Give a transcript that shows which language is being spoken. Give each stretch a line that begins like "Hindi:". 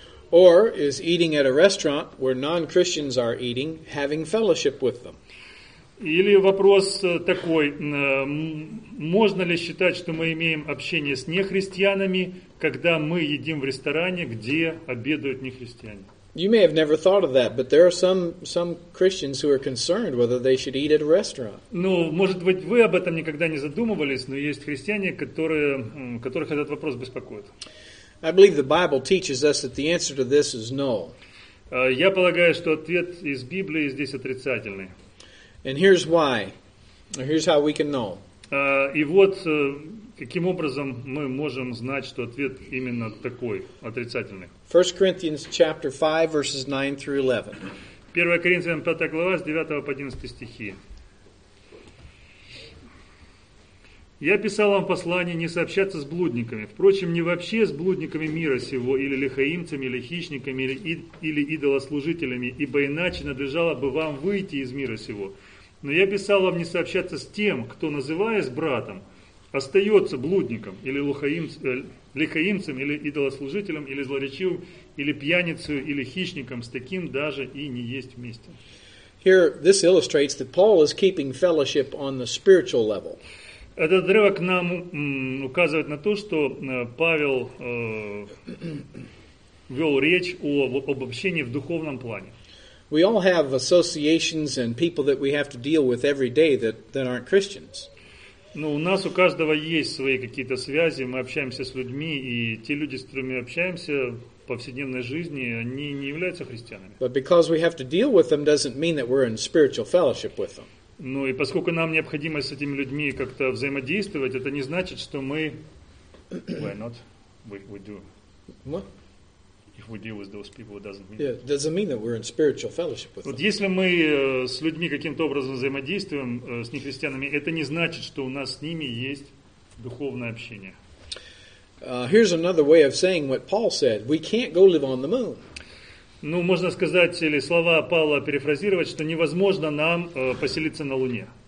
English: Or is eating at a restaurant where non-Christians are eating having fellowship with them?
Russian: Или вопрос такой, можно ли считать, что мы имеем общение с нехристианами, когда мы едим в ресторане, где обедают нехристиане?
English: You may have never thought of that, but there are some Christians who are concerned whether they should eat at a restaurant.
Russian: Ну, может быть, вы об этом никогда не задумывались, но есть христиане, которых этот вопрос беспокоит.
English: I believe the Bible teaches us that the answer to this is no.
Russian: Я полагаю, что ответ из Библии здесь отрицательный.
English: And here's why. Here's how we can know.
Russian: И вот каким образом мы можем знать, что ответ именно такой, отрицательный.
English: 1 Corinthians chapter 5 verses 9 through 11.
Russian: 1 Коринфянам 5 глава с 9 по 11 стихи. Я писал вам послание не сообщаться с блудниками. Впрочем, не вообще с блудниками мира сего, или лихаимцами, или хищниками, или идолослужителями, ибо иначе надлежало бы вам выйти из мира сего. Но я писал вам не сообщаться с тем, кто, называясь братом, остается блудником, или лихаимцем, или идолослужителем, или злоречивым, или пьяницей, или хищником, с таким даже и не есть вместе.
English: Here this illustrates that Paul is keeping fellowship on the spiritual level.
Russian: Этот отрывок нам указывает на то, что Павел вел речь об общении в духовном плане.
English: We all have associations and people that we have to deal with every day that aren't Christians.
Russian: Ну, у нас у каждого есть свои какие-то связи, мы общаемся с людьми, и те люди, с которыми общаемся в повседневной жизни, они не являются христианами.
English: But because we have to deal with them doesn't mean that we're in spiritual fellowship with them.
Russian: Ну и поскольку нам необходимо с этими людьми как-то взаимодействовать, это не значит, что мы...
English: Why not? We do. What? If we deal with those people, it doesn't mean... Yeah, it doesn't mean that we're in spiritual fellowship with вот them.
Russian: Если мы с людьми каким-то образом взаимодействуем, с нехристианами, это не значит, что у нас с ними есть духовное общение.
English: Here's another way of saying what Paul said. We can't go live on the moon.
Russian: Ну, можно сказать, или слова Павла перефразировать, что невозможно нам поселиться на Луне.